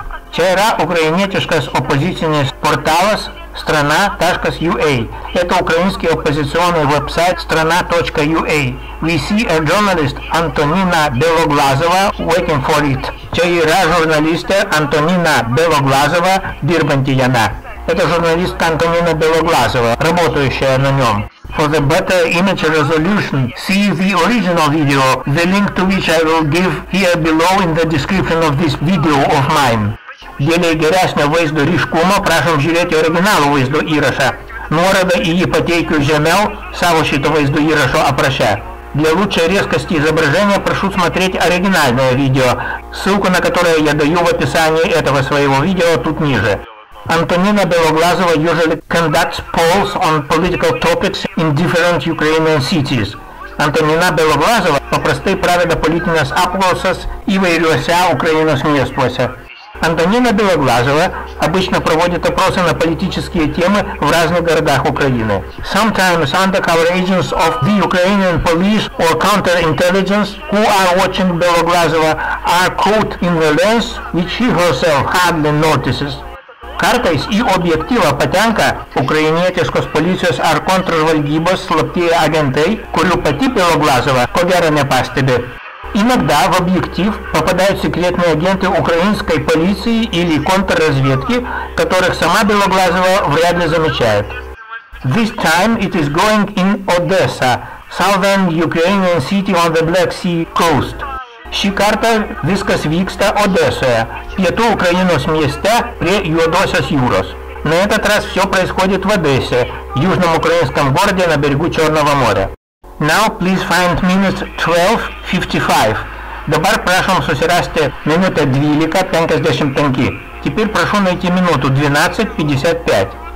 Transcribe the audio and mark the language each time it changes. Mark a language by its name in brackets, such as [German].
[Lithuanian] Čia yra ukrainietiškas opozicinis portalas strana.ua. [Russian] Это украинский оппозиционный веб-сайт strana.ua. [English] We see a journalist Antonina Beloglazova waiting for it. [Lithuanian] Čia yra [Russian] журналистка [Lithuanian] Antonina Beloglazova, dirbanti jame. [Russian] Это журналистка Антонина Белоглазова, работающая на нем. [English] For the better image resolution, see the original video, the link to which I will give here below in the description of this video of mine. [Russian] Для [Lithuanian] геresnio vaizdo ryškumo prašom žiūrėti originalų vaizdo įrašą. Nuorodą į jį pateikiu žemiau savo šito vaizdo įrašo apraše. [Russian] Для лучшей резкости изображения прошу смотреть оригинальное видео, ссылку на которое я даю в описании этого своего видео тут ниже. [English] Antonina Beloglazova usually conducts polls on political topics in different Ukrainian cities. [Lithuanian] Antonina Beloglazova paprastai praveda politines apklausas įvairiuose Ukrainos miestuose. [Russian] Antonina Beloglazova обычно проводит опросы на политические темы в разных городах Украины. [English] Sometimes undercover agents of the Ukrainian police or counterintelligence who are watching Beloglazova are caught in the lens which she herself hardly notices. [Lithuanian] Kartais į objektyvą patenka ukrainietiškos policijos ar kontržvalgybos slaptieji agentai, kurių pati Beloglazova ko gero nepastebi. [Russian] Иногда в объектив попадают секретные агенты украинской полиции или контрразведки, которых сама Белоглазова вряд ли замечает. [English] This time it is going in Odessa, southern Ukrainian city on the Black Sea coast. [Lithuanian] Ši kartą viskas vyksta Odesoje, pietų Ukrainos mieste prie Juodosios jūros. [Russian] На этот раз все происходит в Одессе, южном украинском городе на берегу Черного моря. [English] Now please find minute 12:55. [Lithuanian] Dabar prašom susirasti minutę 12:55. [Russian] Теперь прошу найти минуту 12:55.